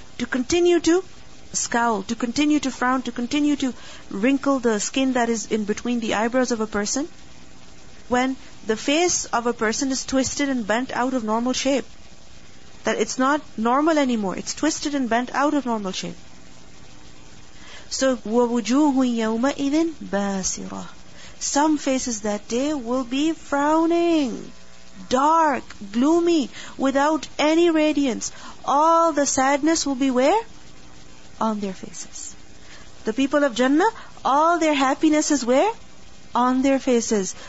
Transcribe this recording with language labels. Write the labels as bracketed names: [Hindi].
[English] To continue to scowl, to continue to frown, to continue to wrinkle the skin that is in between the eyebrows of a person. When the face of a person is twisted and bent out of normal shape. That it's not normal anymore. It's twisted and bent out of normal shape. [Arabic] So, وَوُجُوهٌ يَوْمَئِذٍ بَاسِرَةٌ. [English] Some faces that day will be frowning, dark, gloomy, without any radiance. All the sadness will be where? On their faces. The people of Jannah, all their happiness is where? On their faces.